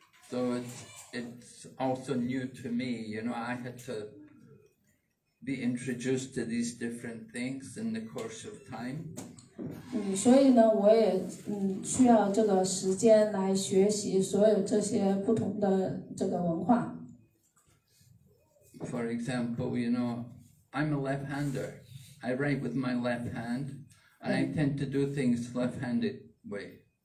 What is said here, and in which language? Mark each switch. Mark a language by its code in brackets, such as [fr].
[en] So it's also new to me, you know, I had to be introduced to these different things in the course of time. [zh] 所以呢，我也需要这个时间来学习所有这些不同的这个文化。 [en] For example, you know, I'm a left-hander. I write with my left hand, and I tend to do things left-handed way.